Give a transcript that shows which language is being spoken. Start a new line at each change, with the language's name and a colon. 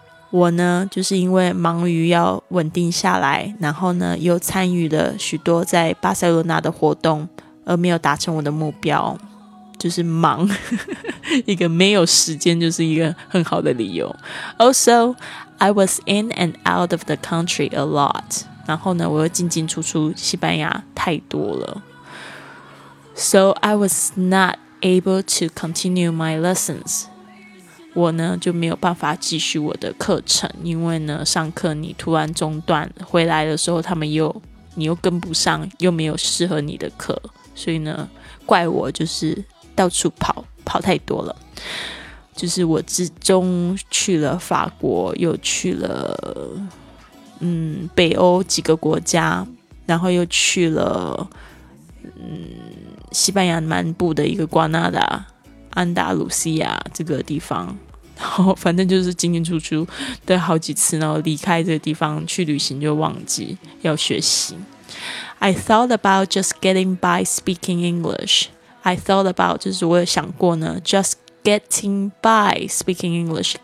Chinese: 我呢，就是因为忙于要稳定下来，然后呢，又参与了许多在巴塞罗那的活动，而没有达成我的目标，就是忙，一个没有时间就是一个很好的理由。
English: Also, I was in and out of the country a lot.
Chinese: 然后呢我又进进出出西班牙太多了
English: So I was not able to continue my lessons
Chinese: 我呢就没有办法继续我的课程因为呢上课你突然中断回来的时候他们又你又跟不上又没有适合你的课所以呢怪我就是到处跑太多了就是我之中去了法国又去了北欧几个国家然后又去了西班牙南部的一个瓜纳达安达鲁西亚这个地方然后反正就是进进出出的好几次然后离开这个地方去旅行就忘记要学习
English: I thought about just getting by speaking English. I thought about
Chinese: 就是我有想过呢
English: just getting by speaking English.